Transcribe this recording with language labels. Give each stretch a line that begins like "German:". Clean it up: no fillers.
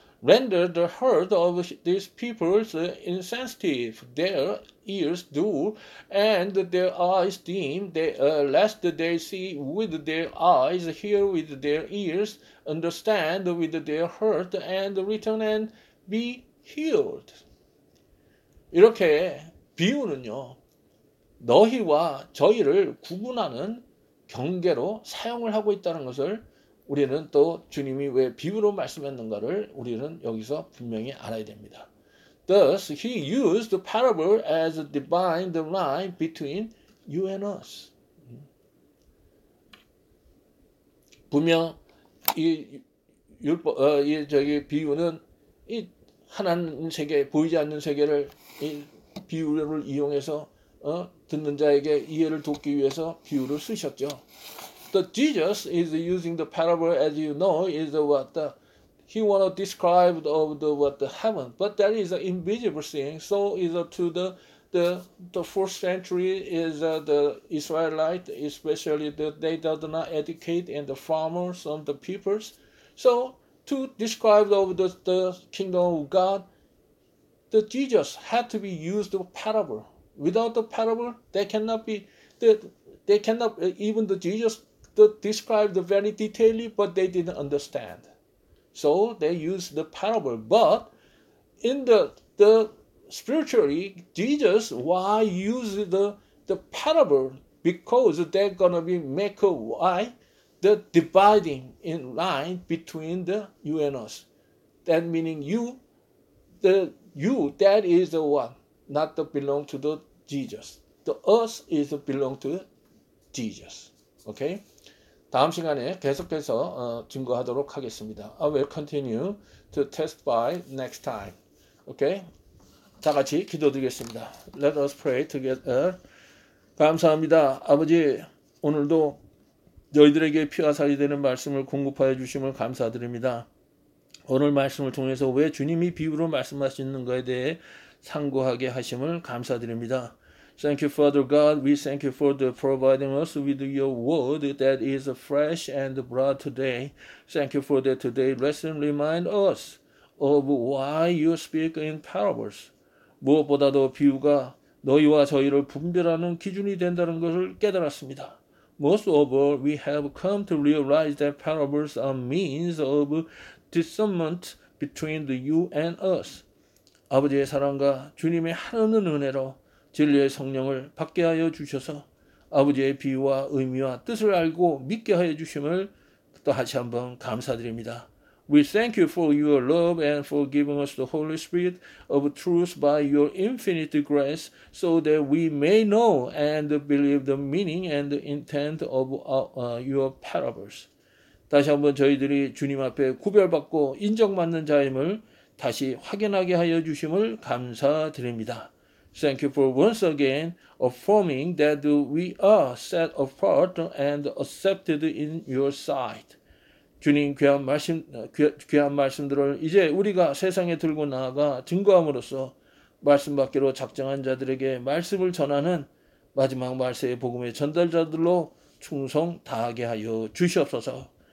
English: Render the heart of these peoples insensitive, their ears dull, and their eyes dim, lest they see with their eyes, hear with their ears, understand with their heart, and return and be healed.
Korean: 이렇게 비유는요, 너희와 저희를 구분하는 경계로 사용을 하고 있다는 것을 우리는 또 주님이 왜 비유로 말씀했는가를 우리는 여기서 분명히 알아야 됩니다.
English: Thus, he used the parable as a divine line between you and us.
Korean: 분명 비유는 이 하나님 세계, 보이지 않는 세계를 이 비유를 이용해서 듣는 자에게 이해를 돕기 위해서 비유를 쓰셨죠.
English: The Jesus is using the parable, as you know, is what the, he want to describe of the what the heaven, but that is an invisible thing. So is to the first century is the Israelite, especially the they did not educate and the farmers and the peoples. So to describe of the kingdom of God, the Jesus had to be used of parable. Without the parable, even the Jesus. To describe the very detailedly, but they didn't understand. So they used the parable. But in the spiritually, Jesus, why use the parable? Because they're going to be make a why? The dividing in line between the you and us. That meaning that is the one, not the belong to the Jesus. The us is the belong to Jesus. Okay?
Korean: 다음 시간에 계속해서 증거하도록 하겠습니다.
English: I will continue to testify next time. Okay?
Korean: 다 같이 기도드리겠습니다.
English: Let us pray together.
Korean: 감사합니다. 아버지, 오늘도 너희들에게 피와 살이 되는 말씀을 공급하여 주심을 감사드립니다. 오늘 말씀을 통해서 왜 주님이 비유로 말씀하시는가에 대해 상고하게 하심을 감사드립니다.
English: Thank you, Father God. We thank you for providing us with your word that is fresh and broad today. Thank you for that today. Lesson remind us of why you speak in parables.
Korean: 무엇보다도 비유가 너희와 저희를 분별하는 기준이 된다는 것을 깨달았습니다.
English: Most of all, we have come to realize that parables are means of discernment between you and us.
Korean: 아버지의 사랑과 주님의 하늘 은혜로 진리의 성령을 받게 하여 주셔서 아버지의 비유와 의미와 뜻을 알고 믿게 하여 주심을 또 다시 한번 감사드립니다.
English: We thank you for your love and for giving us the Holy Spirit of truth by your infinite grace so that we may know and believe the meaning and the intent of your parables.
Korean: 다시 한번 저희들이 주님 앞에 구별받고 인정받는 자임을 다시 확인하게 하여 주심을 감사드립니다.
English: Thank you for once again affirming that we are set apart and accepted in your sight.
Korean: 주님 귀한 말씀들을 이제 우리가 세상에 들고 나아가 증거함으로써 말씀 받기로 작정한 자들에게 말씀을 전하는 마지막 말세의 복음의 전달자들로 충성 다하게 하여 주시옵소서.